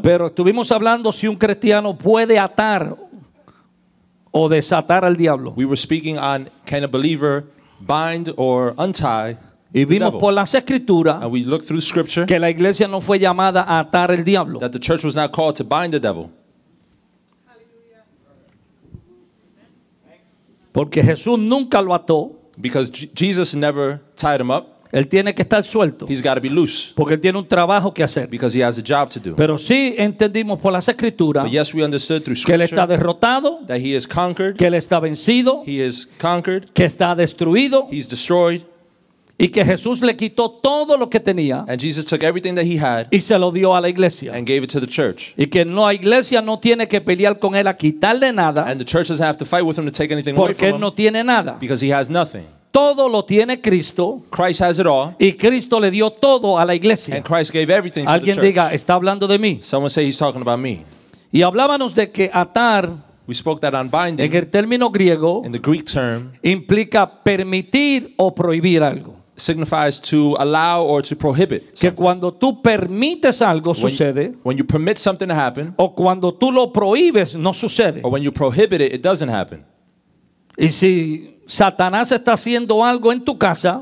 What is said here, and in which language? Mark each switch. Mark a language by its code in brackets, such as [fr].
[es] Pero estuvimos hablando si un cristiano puede atar o desatar al diablo. [en] We were speaking on can a believer bind or untie. [es] Y vimos por las escrituras, [en] and we looked through scripture, [es] que la iglesia no fue llamada a atar el diablo. [en] That the church was not called to bind the devil. [es] Porque Jesús nunca lo ató. [en] Because Jesus never tied him up. [es] Él tiene que estar suelto. [en] He's got to be loose. [es] Porque él tiene un trabajo que hacer. [en] Because he has a job to do. [es] Pero sí entendimos por las escrituras. [en] But yes, we understood through scripture. [es] Que él está derrotado. [en] That he is conquered. [es] Que él está vencido. [en] He is conquered. [es] Que está destruido. [en] He's destroyed. [es] Y que Jesús le quitó todo lo que tenía. [en] And Jesus took everything that he had. [es] Y se lo dio a la iglesia. [en] And gave it to the church. [es] Y que no, la iglesia no tiene que pelear con él a quitarle nada. [en] And the church doesn't have to fight with him to take anything away from [es] Porque él no tiene nada. [en] Because he has nothing. [es] Todo lo tiene Cristo. [en] Christ has it all. [es] Y Cristo le dio todo a la iglesia. [en] And Christ gave everything to [es] alguien [en] the church. [es] Alguien diga, está hablando de mí. [en] Someone say he's talking about me. [es] Y hablábamos de que atar. [en] We spoke that on binding. [es] En el término griego. [en] In the Greek term. [es] Implica permitir o prohibir algo. [en] Signifies to allow or to prohibit. [es] Que cuando tú permites algo sucede. [en] When you permit something to happen. [es] O cuando tú lo prohíbes no sucede. [en] Or when you prohibit it, it doesn't happen. [es] Y si Satanás está haciendo algo en tu casa.